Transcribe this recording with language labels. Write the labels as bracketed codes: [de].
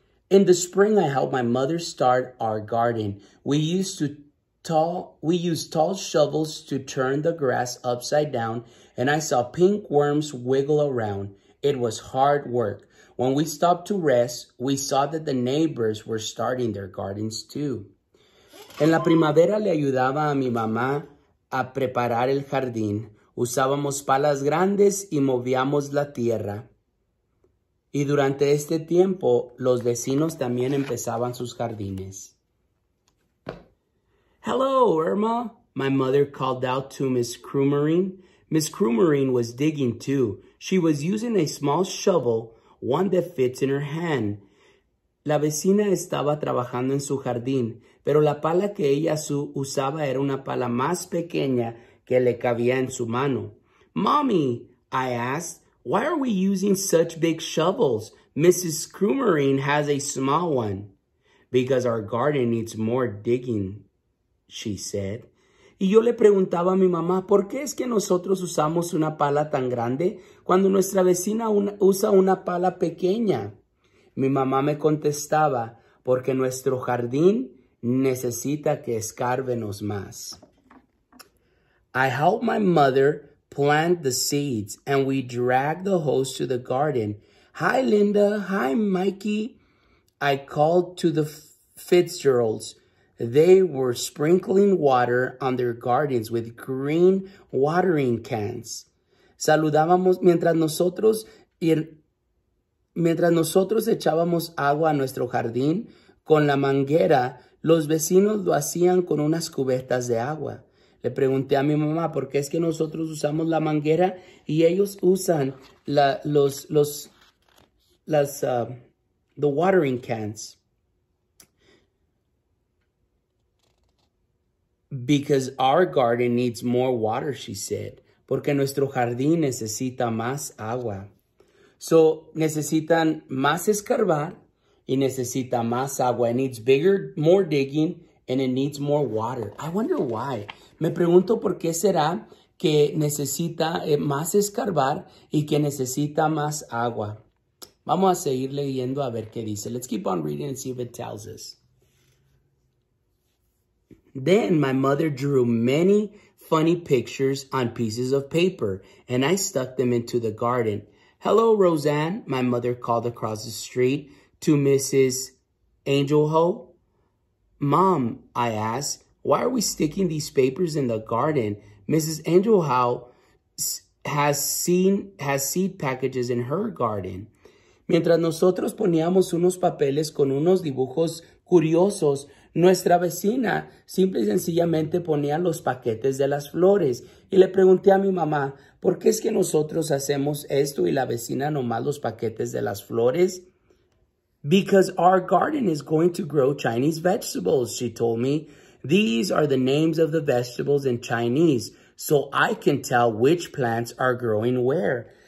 [en] In the spring, I helped my mother start our garden. We used tall shovels to turn the grass upside down, and I saw pink worms wiggle around. It was hard work. When we stopped to rest, we saw that the neighbors were starting their gardens too. [es] En la primavera le ayudaba a mi mamá a preparar el jardín. Usábamos palas grandes y movíamos la tierra. Y durante este tiempo, los vecinos también empezaban sus jardines. [en] Hello, Irma, my mother called out to Miss Krumarine. Miss Krumarine was digging too. She was using a small shovel, one that fits in her hand. [es] La vecina estaba trabajando en su jardín, pero la pala que ella usaba era una pala más pequeña que le cabía en su mano. [en] Mommy, I asked, why are we using such big shovels? Mrs. Krumarine has a small one. Because our garden needs more digging, she said. [es] Y yo le preguntaba a mi mamá, ¿por qué es que nosotros usamos una pala tan grande cuando nuestra vecina usa una pala pequeña? Mi mamá me contestaba, porque nuestro jardín necesita que escárbenos más. [en] I helped my mother plant the seeds and we dragged the hose to the garden. Hi, Linda. Hi, Mikey. I called to the Fitzgeralds. They were sprinkling water on their gardens with green watering cans. [es] Saludábamos mientras nosotros echábamos agua a nuestro jardín con la manguera, los vecinos lo hacían con unas cubetas de agua. Le pregunté a mi mamá por qué es que nosotros usamos la manguera y ellos usan [en] the watering cans. Because our garden needs more water, she said. [es] Porque nuestro jardín necesita más agua. So, necesitan más escarbar y necesita más agua. [en] It needs bigger, more digging, and it needs more water. I wonder why. [es] Me pregunto por qué será que necesita más escarbar y que necesita más agua. Vamos a seguir leyendo a ver qué dice. [en] Let's keep on reading and see if it tells us. Then my mother drew many funny pictures on pieces of paper, and I stuck them into the garden. Hello, Roseanne, my mother called across the street to Mrs. Angel Ho. Mom, I asked, why are we sticking these papers in the garden? Mrs. Angel Ho has seed packages in her garden. [es] Mientras nosotros poníamos unos papeles con unos dibujos curiosos, nuestra vecina simple y sencillamente ponía los paquetes de las flores. Y le pregunté a mi mamá, ¿por qué es que nosotros hacemos esto y la vecina nomás los paquetes de las flores? [en] Because our garden is going to grow Chinese vegetables, she told me. These are the names of the vegetables in Chinese, so I can tell which plants are growing where.